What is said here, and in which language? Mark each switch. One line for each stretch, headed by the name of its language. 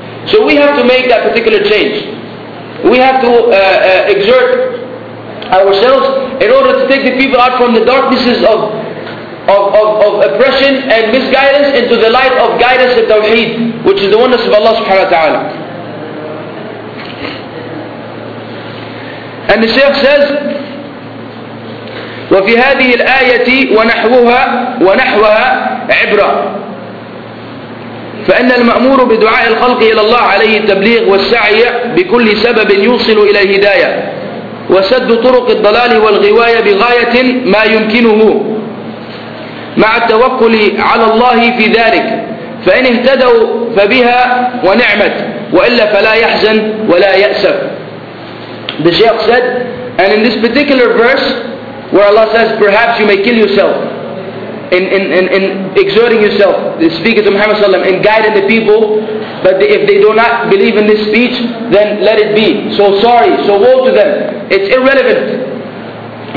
English: So we have to make that particular change. We have to exert ourselves in order to take the people out from the darknesses of oppression and misguidance into the light of guidance and tawheed, which is the oneness of Allah subhanahu wa ta'ala. And the Shaykh says,
Arabic: وَفِي هَذِهِ الْآيَةِ وَنَحْوُهَا وَنَحْوَهَا عِبْرًا فإن المأمور بدعاء الخلق إلى الله عليه التبليغ والسعي بكل سبب يوصل إلى الهداية وسد طرق الضلال والغواية بغاية ما يمكنه مع التوكل على الله في ذلك فإن اهتدوا فبها ونعمت وإلا فلا يحزن ولا يأسف.
English: The Shaykh said, and in this particular verse where Allah says perhaps you may kill yourself In exerting yourself, the speaker to Muhammad sallallahu alaihi wasallam, in guiding the people, but if they do not believe in this speech, then let it be. So sorry, so woe to them. It's irrelevant.